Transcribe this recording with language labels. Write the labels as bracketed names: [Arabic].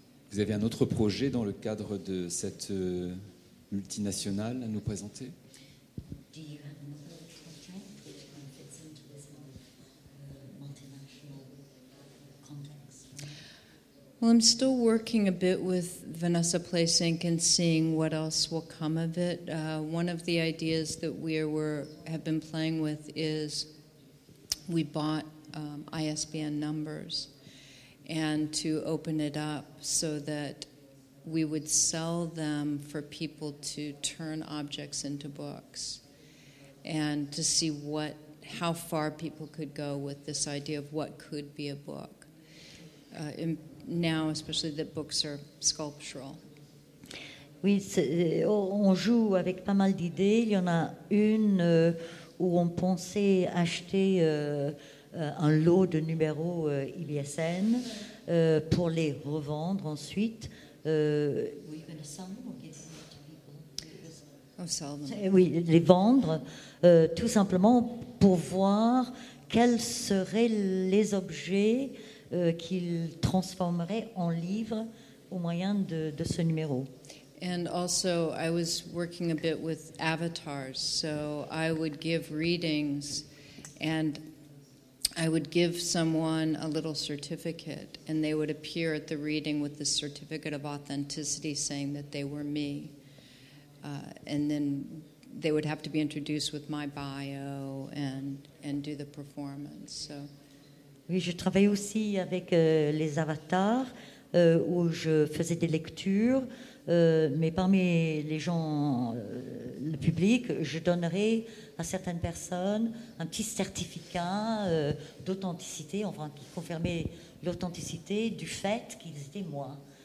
[French] Vous avez un autre projet dans le cadre de cette multinationale à nous présenter ? [English] Well, I'm still working a bit with Vanessa Place Inc. and seeing what else will come of it. One of the ideas that we have been playing with is we bought ISBN numbers, and to open it up so that we would sell them for people to turn objects into books, and to see how far people could go with this idea of what could be a book. Now, especially that books are sculptural. [French] Oui, on joue avec pas mal d'idées. Il y en a une où on pensait acheter un lot de numéros ISBN pour les revendre ensuite. [English] Were you going to sell them or give them to people? I'll sell them. [French] Oui, les vendre, tout simplement pour voir quels seraient les objets qu'il transformerait en livre au moyen de ce numéro. [English] And also, I was working a bit with avatars, so I would give readings, and I would give someone a little certificate, and they would appear at the reading with the certificate of authenticity, saying that they were me, and then they would have to be introduced with my bio and do the performance. So. [French] Oui, je travaillais aussi avec les avatars où je faisais des lectures, mais parmi les gens, le public, je donnerais à certaines personnes un petit certificat d'authenticité, enfin qui confirmait l'authenticité du fait qu'ils étaient moi.